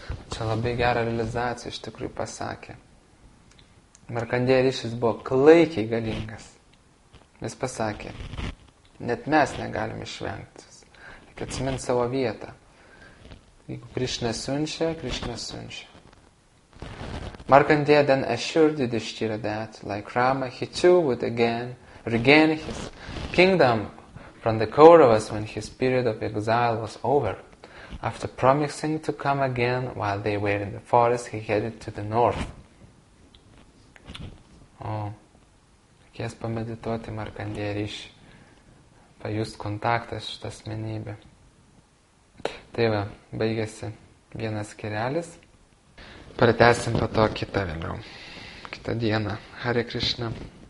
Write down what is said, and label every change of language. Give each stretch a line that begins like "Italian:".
Lithuanian: Čia labai gera realizacija iš tikrųjų pasakė. Markandėja ryšys buvo klaikiai galingas. Jis pasakė, net mes negalim išvengti. Reikia atsiminti savo vietą. Jeigu Krišna siunčia, Krišna siunčia.
English: Markandėja then assured Yudhishthira that, like Rama, he too would again regain his kingdom from the Kauravas when his period of exile was over. After promising to come again while they were in the forest, he headed to the north.
Lithuanian: O, reikės pamedituoti Markandėja ryšį, pajust kontaktą šitą asmenybę. Tai va, baigėsi vienas skirelis. Pratęsim po to kitą vėliau, kitą dieną. Hare Krishna.